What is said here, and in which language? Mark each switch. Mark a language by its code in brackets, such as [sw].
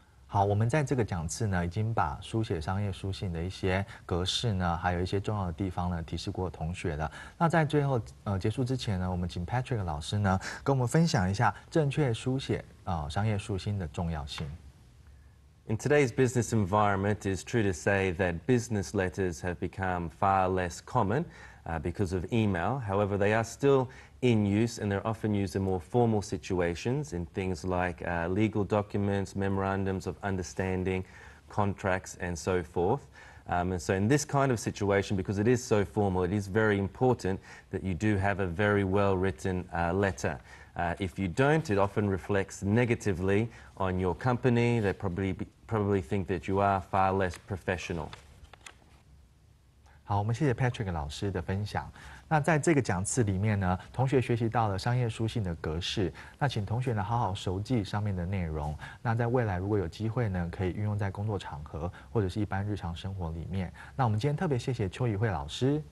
[zh] 好，我们在这个讲次呢已经把书写商业书信的一些格式呢，还有一些重要的地方呢提示过同学的。那在最后结束之前呢，我们请 Patrick 老师呢跟我们分享一下正确书写商业书信的重要性。 [en] In today's business environment, it's true to say that business letters have become far less common because of email. However, they are still in use and they're often used in more formal situations in things like legal documents, memorandums of understanding, contracts and so forth. And so in this kind of situation, because it is so formal, it is very important that you do have a very well-written letter. If you don't, it often reflects negatively on your company. They probably think that you are far less professional. [zh] 好，我们谢谢 Patrick 老师的分享。那在这个讲次里面呢，同学学习到了商业书信的格式，那请同学呢好好熟记上面的内容。那在未来如果有机会呢，可以运用在工作场合或者是一般日常生活里面。那我们今天特别谢谢邱怡慧老师，